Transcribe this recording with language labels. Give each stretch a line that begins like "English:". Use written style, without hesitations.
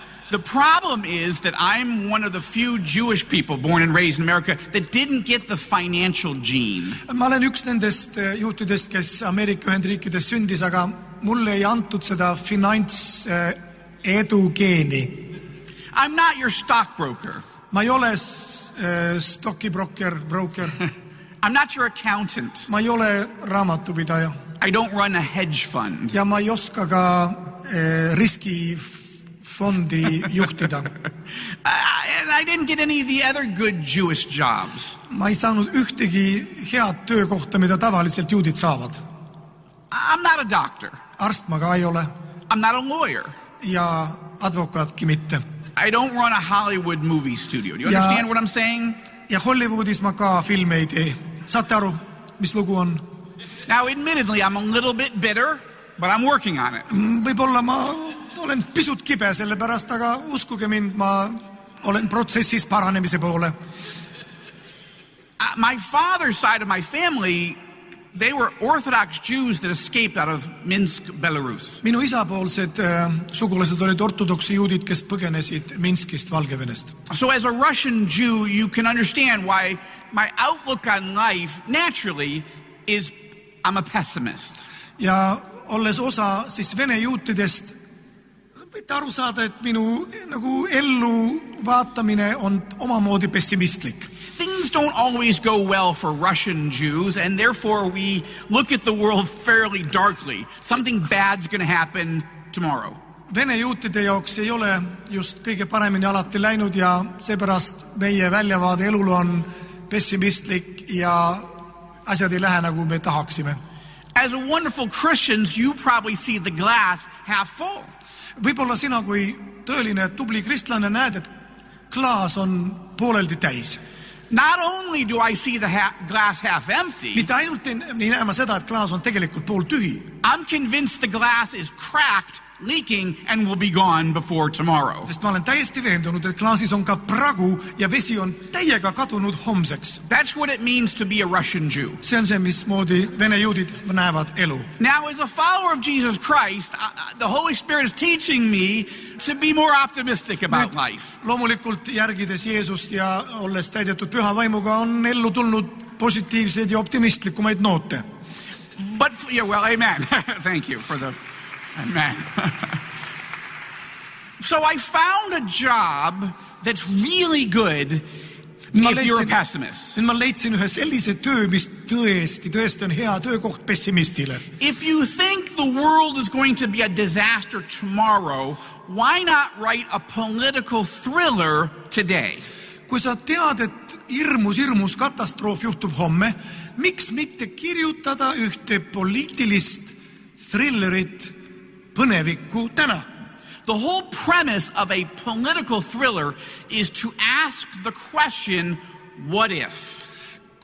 English: The problem is that I'm one of the few Jewish people born and raised in America that didn't get the financial gene.
Estonian: Ma olen üks nendest juutidest, kes Ameerika Ühendriikides sündis, aga mulle ei antud seda finantsedu geeni.
English: I'm not your stockbroker.
Estonian: Ma ei ole stocki broker,
English: I'm not your accountant.
Estonian: Ma ei ole raamatupidaja.
English: I don't run a hedge fund.
Estonian: Ja ma ei oska ka riski fondi juhtida.
English: And I didn't get any of the other good Jewish jobs.
Estonian: Ma ei saanud ühtegi head töökohta, mida tavaliselt juudid saavad.
English: I'm not a doctor.
Estonian: Arst ma ka ei ole.
English: I'm not a lawyer.
Estonian: Ja advokaatki mitte.
English: I don't run a Hollywood movie studio. Do you understand what I'm saying?
Estonian: Ja Hollywoodis ma ka filme ei tee. Saate aru, mis lugu on?
English: Now, admittedly, I'm a little bit bitter, but I'm working on it.
Estonian: Võibolla ma olen pisut kibe selle pärast, aga uskuge mind, ma olen protsessis paranemise poole.
English: My father's side of my family, they were Orthodox Jews that escaped out of Minsk, Belarus.
Estonian: Minu isapoolsed sugulased olid ortodoksi juudid, kes põgenesid Minskist, Valgevenest.
English: So as a Russian Jew, you can understand why my outlook on life, naturally, is I'm a pessimist.
Estonian: Ja olles osa siis vene juutidest, võite aru saada, et minu nagu ellu vaatamine on omamoodi pessimistlik.
English: Things don't always go well for Russian Jews, and therefore we look at the world fairly darkly. Something bad's going to happen tomorrow.
Estonian: Vene juutide jaoks ei ole just kõige paremini alati läinud ja seepärast meie väljavaade elul on pessimistlik ja asjad ei lähe nagu me tahaksime.
English: As a wonderful Christians, you probably see the glass half full.
Estonian: Võibolla sina kui tõeline tubli kristlane näed, et klaas on pooleldi täis.
English: Not only do I see the glass half empty,
Estonian: mitte ainult nii näema seda, et klaas on tegelikult pool tühi.
English: I'm convinced the glass is cracked, leaking, and will be gone before tomorrow.
Estonian: Sest ma olen täiesti veendunud, et klaasis on ka pragu ja vesi on täiega kadunud homseks.
English: That's what it means to be a Russian Jew.
Estonian: See on see, mis moodi vene juudid näevad elu.
English: Now, as a follower of Jesus Christ, the Holy Spirit is teaching me to be more optimistic about life.
Estonian: Loomulikult järgides Jeesust ja olles täidetud püha vaimuga, on ellu tulnud positiivseid ja optimistlikumaid noote.
English: But, yeah, well, amen. Thank you for the... Amen. So I found a job that's really good if you're a pessimist.
Estonian: Ma leidsin ühe sellise töö, mis tõesti on hea töökoht pessimistile.
English: If you think the world is going to be a disaster tomorrow, why not write a political thriller today?
Estonian: Kui sa tead, et hirmus katastroof juhtub homme, miks mitte kirjutada ühte poliitilist thrillerit põneviku täna?
English: The whole premise of a political thriller is to ask the question, what if?